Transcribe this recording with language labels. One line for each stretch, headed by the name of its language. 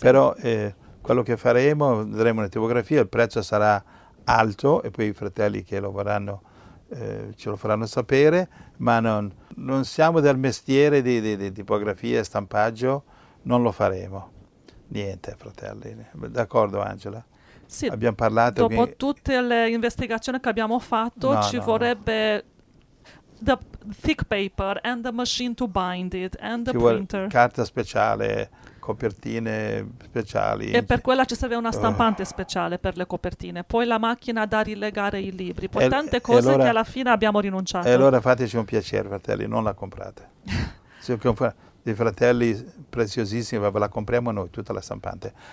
Italian: Però quello che faremo, daremo una tipografia, il prezzo sarà alto e poi i fratelli che lo vorranno ce lo faranno sapere, ma non siamo del mestiere di tipografia e stampaggio, non lo faremo. Niente, fratelli. D'accordo, Angela? Sì. Abbiamo parlato... Dopo tutte le investigazioni che abbiamo fatto, no, ci no, vorrebbe... No.
English: The thick paper and the machine to bind it and the printer.
Italian: Carta speciale, copertine speciali. E per quella ci serve una stampante speciale per le copertine. Poi la macchina da rilegare i libri. Poi tante cose allora, che alla fine abbiamo rinunciato. E allora fateci un piacere, fratelli, non la comprate. Dei fratelli preziosissimi, ve la compriamo noi, tutta la stampante.